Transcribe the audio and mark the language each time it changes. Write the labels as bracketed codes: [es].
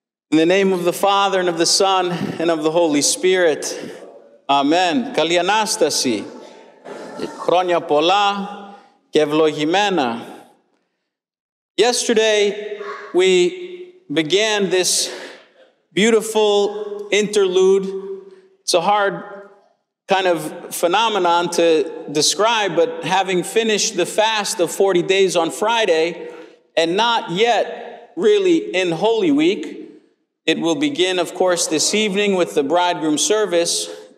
[en] In the name of the Father, and of the Son, and of the Holy Spirit. [el] Amen. Καλή Ανάσταση. Χρόνια πολλά και ευλογημένα. [en] Yesterday, we began this beautiful interlude. It's a hard kind of phenomenon to describe, but having finished the fast of 40 days on Friday, and not yet really in Holy Week, it will begin, of course, this evening with the bridegroom service.